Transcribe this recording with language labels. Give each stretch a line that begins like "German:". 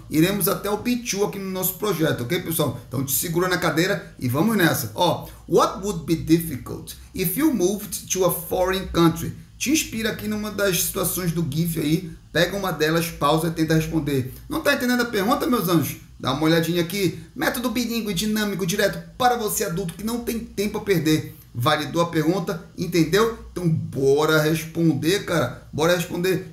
Portuguese: Iremos até o B2 aqui no nosso projeto, ok, pessoal? Então te segura na cadeira e vamos nessa.
English: Ó, what would be difficult if you moved to a foreign country?
Portuguese: Te inspira aqui numa das situações do GIF aí. Pega uma delas, pausa e tenta responder. Não tá entendendo a pergunta, meus anjos? Dá uma olhadinha aqui. Método bilíngue, dinâmico, direto para você adulto que não tem tempo a perder. Validou a pergunta, entendeu? Então bora responder, cara. Bora responder.